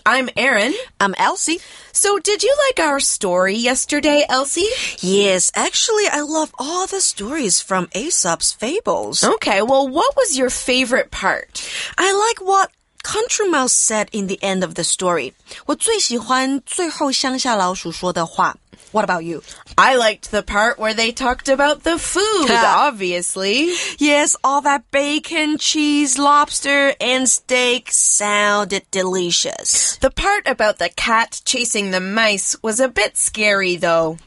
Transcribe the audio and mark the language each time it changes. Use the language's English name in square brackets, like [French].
[English] I'm Erin. I'm Elsie. So, did you like our story yesterday, Elsie? Yes, actually, I love all the stories from Aesop's Fables. Okay, well, what was your favorite part? I like what Country Mouse said in the end of the story. [Chinese] 我最喜欢最后乡下老鼠说的话。 [English] What about you? I liked the part where they talked about the food, obviously. Yes, all that bacon, cheese, lobster, and steak sounded delicious. The part about the cat chasing the mice was a bit scary, though.